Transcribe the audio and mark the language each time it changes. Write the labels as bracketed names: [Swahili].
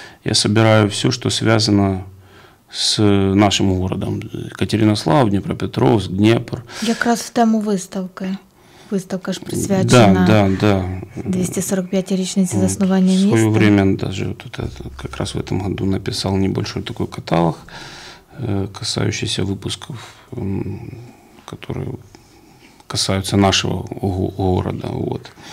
[Russian] Я собираю все, что связано с нашим городом. [Ukrainian] Екатеринослав, Дніпропетровськ, Дніпро. Якраз в тему виставки. Виставка ж присвячена, да, да, да, 245-річниці заснування міста. [Russian] В своє время, якраз в этом году написал небольшой такой каталог, касающийся выпусков, которые касаются нашего города. Вот.